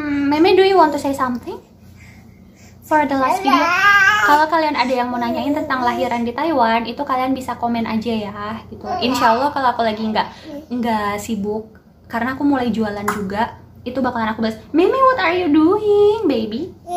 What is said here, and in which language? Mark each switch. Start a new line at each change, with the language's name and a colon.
English: Meme, do you want to say something for the last video?
Indonesian: Kalau kalian ada yang mau nanyain tentang lahiran di Taiwan, itu kalian bisa komen aja ya, gitu. Insya Allah kalau aku lagi nggak sibuk, karena aku mulai jualan juga, itu bakalan aku bahas.
English: Meme, what are you doing, baby?